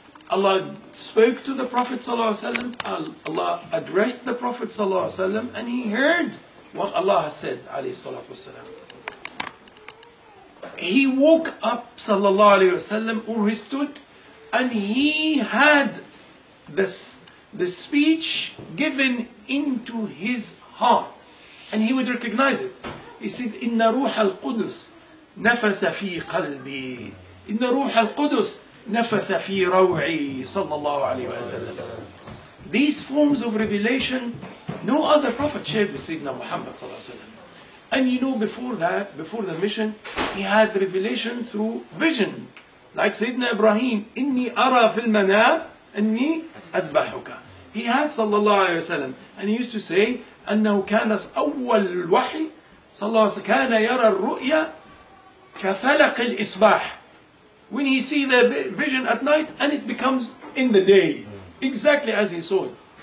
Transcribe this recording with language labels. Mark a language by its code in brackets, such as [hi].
[en] Allah spoke to the Prophet sallallahu alayhi wa sallam, Allah addressed the Prophet sallallahu alayhi wa sallam, and he heard what Allah said alayhi salatu wa sallam. He woke up sallallahu alayhi wa sallam, or he stood, and he had the speech given into his heart, and he would recognize it. He said, [ar] Inna ruha al-Qudus نفس في قلبي إن روح القدس نفث في روعي صلى الله عليه وسلم. [en] These forms of revelation, no other prophet shared with Sayyidina Muhammad صلى الله عليه وسلم. And you know, before that, before the mission, he had revelation through vision. Like Sayyidina Ibrahim, [ar] إِنِّي أَرَى فِي الْمَنَابِ أَنِّي أَذْبَحُكَ. He had sallallahu alayhi wa sallam, [en] and he used to say, [ar] أَنَّهُ كَانَ أَوَّلُ الْوَحِي sallallahu alayhi wa sallam, كَانَ يَرَى الرُّؤْيَا كَفَلَقِ الْإِصْبَاحِ. [en] When he see the vision at night, and it becomes in the day, exactly as he saw it.